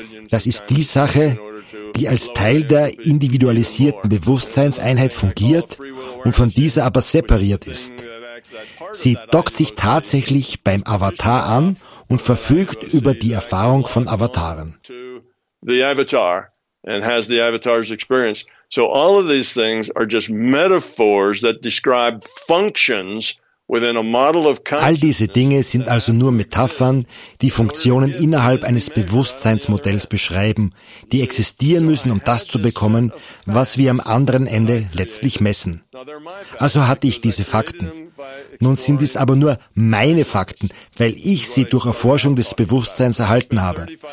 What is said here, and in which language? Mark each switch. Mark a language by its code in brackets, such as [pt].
[de] Das ist die Sache, die als Teil der individualisierten Bewusstseinseinheit fungiert und von dieser aber separiert ist. Sie dockt sich tatsächlich beim Avatar an und verfügt über die Erfahrung von Avataren. [en] The Avatar and has the Avatar's experience. So all of these things are just metaphors that describe functions. [de] All diese Dinge sind also nur Metaphern, die Funktionen innerhalb eines Bewusstseinsmodells beschreiben, die existieren müssen, um das zu bekommen, was wir am anderen Ende letztlich messen. Also hatte ich diese Fakten. Nun sind es aber nur meine Fakten, weil ich sie durch Erforschung des Bewusstseins erhalten habe.